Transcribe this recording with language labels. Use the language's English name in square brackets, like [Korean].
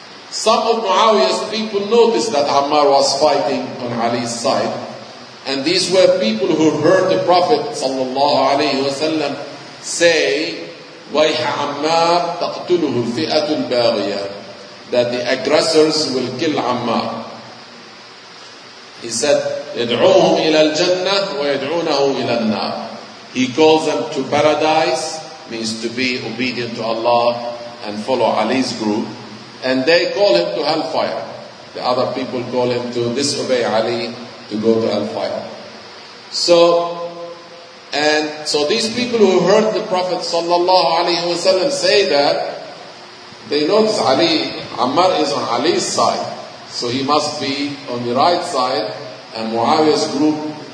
[English] Some of Muawiyah's people noticed that Ammar was fighting on Ali's side. And these were people who heard the Prophet sallallahu alayhi wa sallam say, [Arabic] وَيْحَ عَمَّارْ تَقْتُلُهُ الْفِئَةُ الْبَاغِيَةُ, [English] that the aggressors will kill Ammar. He said, [Arabic] يَدْعُوهُمْ إِلَى الْجَنَّةِ وَيَدْعُونَهُ إِلَى النَّارِ. [English] He calls them to paradise, means to be obedient to Allah and follow Ali's group. And they call him to hellfire. The other people call him to disobey Ali, to go to hellfire. So these people who heard the Prophet sallallahu alaihi wasallam say that, they notice Ali, Ammar is on Ali's side. So he must be on the right side, and Muawiyah's group